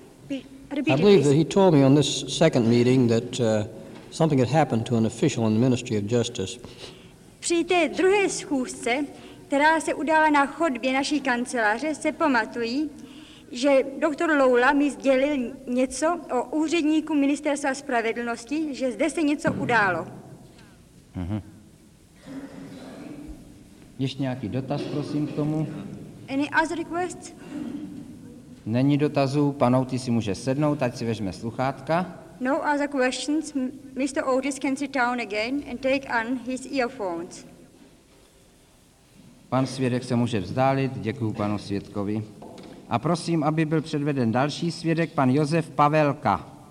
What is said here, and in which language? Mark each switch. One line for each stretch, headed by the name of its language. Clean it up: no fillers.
English: I believe that he told me on this second meeting that something had happened to an official in the Ministry of Justice.
Czech: Při té druhé schůzce, která se udala na chodbě naší kanceláře, se pamatují, že doktor Loula mi sdělil něco o úředníku Ministerstva spravedlnosti, že zde se něco událo. Uh-huh. Ještě nějaký dotaz, prosím, k tomu?
English: Any other requests?
Czech: Není dotazů, pan Otis si může sednout, ať si vezme sluchátka.
English: No other questions. Mr. Otis can sit down again and take on his earphones.
Czech: Pan svědek se může vzdálit, děkuju panu svědkovi. A prosím, aby byl předveden další svědek, pan Josef Pavelka.